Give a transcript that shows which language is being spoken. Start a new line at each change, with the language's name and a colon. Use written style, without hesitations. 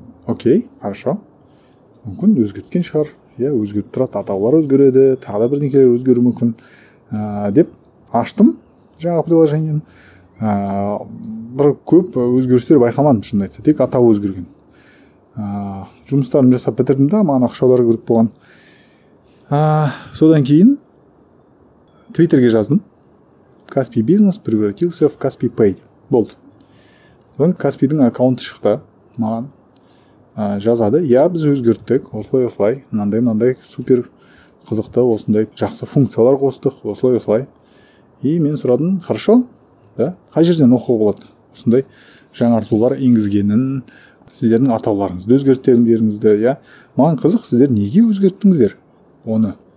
Kazakh: Окей, хорошо. Мүмкін өзгерткен шығар. Өзгеріп тұрады, атаулар өзгереді, тағы бірдеңкелер өзгеруі мүмкін. Деп аштым жаңа приложениені. Бір көп өзгерістер байқамадым шынын айтса, тек атау өзгерген. Жұмыстарым жасап бітірдім да, маған ақшалар көріп болған. Содан кейін Твиттерге жаздым.
Russian: Каспи бизнес превратился в Каспи Пэй.
Kazakh: Болды. Бұл Каспидің аккаунты шықты маған. Жазады. Біз өзгерттік. Осылай-осылай. Мынандай-мынандай супер қызықты. Осындай жақсы функциялар қостық. Осылай-осылай. И мен сұрадым, хорошо? Да? Қай жерден оқу болады? Осындай жаңартулар енгізгенін, сіздердің атауларыңызды өзгерттеріңізді, маған қызық, сіздер неге өзгерттіңіздер оны?